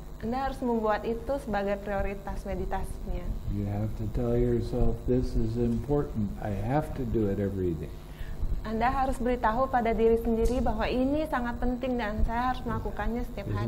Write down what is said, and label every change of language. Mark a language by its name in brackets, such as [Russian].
[Indonesian] Anda harus membuat itu sebagai prioritas meditasinya. [English] You have to tell yourself this is important. I have to do it every day. [Indonesian] Anda harus beritahu pada diri sendiri bahwa ini sangat penting dan saya harus melakukannya setiap hari.